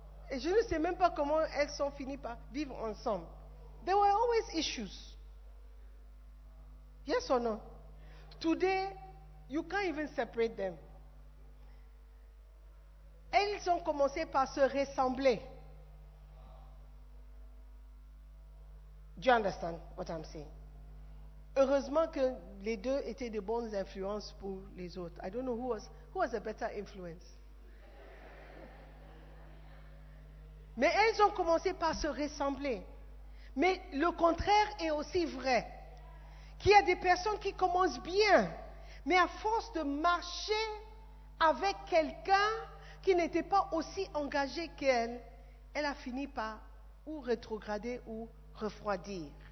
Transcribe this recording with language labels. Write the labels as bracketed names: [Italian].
[French] Et je ne sais même pas comment elles sont finies par vivre ensemble. [English] There were always issues. Yes or no? Today, you can't even separate them. [French] Elles ont commencé par se ressembler. [English] Do you understand what I'm saying? [French] Heureusement que les deux étaient de bonnes influences pour les autres. [English] I don't know who was a better influence. [French] Mais elles ont commencé par se ressembler. Mais le contraire est aussi vrai. Qu'il y a des personnes qui commencent bien, mais à force de marcher avec quelqu'un qui n'était pas aussi engagée qu'elle, elle a fini par ou rétrograder ou refroidir.